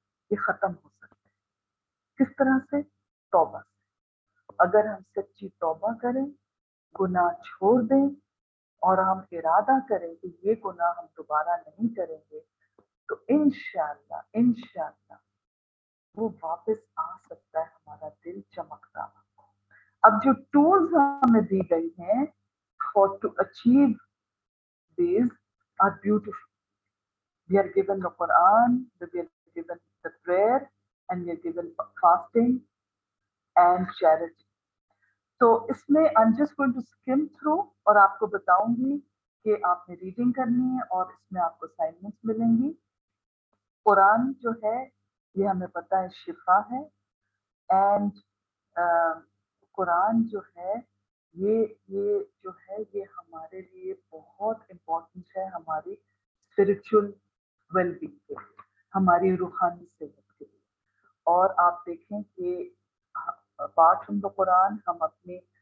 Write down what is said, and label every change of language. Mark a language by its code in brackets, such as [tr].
[hi] ये खत्म हो सकते हैं किस तरह से तौबा अगर हम सच्ची तौबा करें गुनाह छोड़ दें और हम इरादा करें कि ये गुनाह हम दोबारा नहीं करेंगे तो इंशाल्लाह इंशाल्लाह वो वापस आ सकता है हमारा दिल चमकता हुआ अब जो टूल्स हमें दी गई हैं [en] For to achieve these are beautiful. We are given the Quran, we are given the prayer, and we are given fasting and charity. [hi] So, इसमें [en] I'm just going to skim through [hi] और आपको बताऊंगी कि आपने reading करनी है और इसमें आपको assignments मिलेंगी. Quran जो है, ये हमें पता है शिफा है, and Quran जो है ये जो है ये हमारे लिए बहुत इम्पोर्टेंट है हमारी स्पिरिचुअल वेलबींग के लिए हमारी रूहानी सेहत के लिए और आप देखें कि [en] part from the Quran [hi] हम अपनी